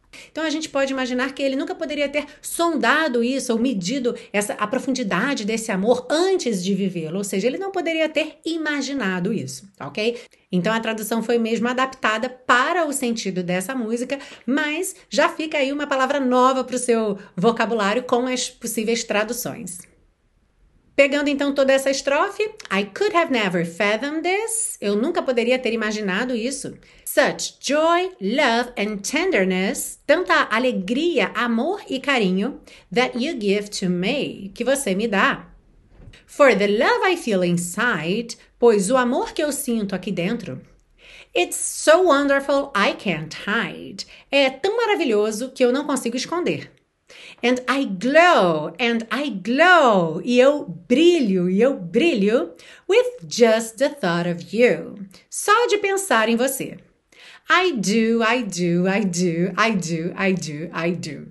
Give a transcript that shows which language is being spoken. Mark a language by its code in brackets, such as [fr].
[pt] Então, a gente pode imaginar que ele nunca poderia ter sondado isso ou medido essa, a profundidade desse amor antes de vivê-lo, ou seja, ele não poderia ter imaginado isso, ok? Então, a tradução foi mesmo adaptada para o sentido dessa música, mas já fica aí uma palavra nova para o seu vocabulário com as possíveis traduções. Pegando então toda essa estrofe, [en] I could have never fathomed this. [pt] Eu nunca poderia ter imaginado isso. [en] Such joy, love and tenderness. [pt] Tanta alegria, amor e carinho [en] that you give to me. [pt] Que você me dá. [en] For the love I feel inside. [pt] Pois o amor que eu sinto aqui dentro. [en] It's so wonderful I can't hide. [pt] É tão maravilhoso que eu não consigo esconder. [en] And I glow, [pt] e eu brilho [en] with just the thought of you, [pt] só de pensar em você. [en] I do, I do, I do, I do, I do, I do.